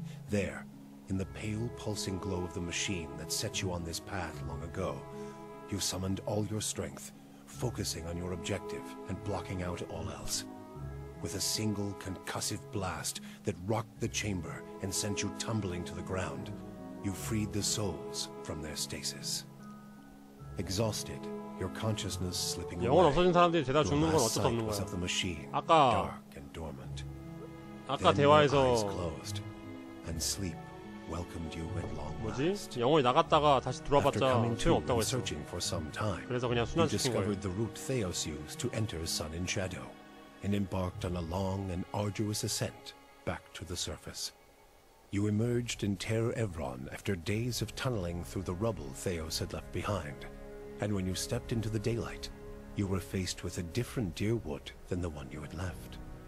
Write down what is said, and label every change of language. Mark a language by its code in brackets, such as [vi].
[en] There, in the pale pulsing glow of the machine that set you on this path long ago, you summoned all your strength, focusing on your objective and blocking out all else. With a single concussive blast that rocked the chamber and sent you tumbling to the ground, you freed the souls from their stasis. Exhausted, your consciousness slipping away. [ko] 영혼 없어진 사람들이 죄다 죽는 건 어쩔 수 없는 거야. 아까 대화에서 뭐지? 영혼이 나갔다가 다시 돌아봤자 소용 없다고 했어. 그래서 그냥 순환시킨 거예요. [en] The route Theos used to enter Sun in Shadow, and embarked on a long and arduous ascent back to the surface. You emerged in Terre Evron after days of tunneling through the rubble Theos had left behind. And when you stepped into the daylight, you were faced with a different Deerwood than the one you had left.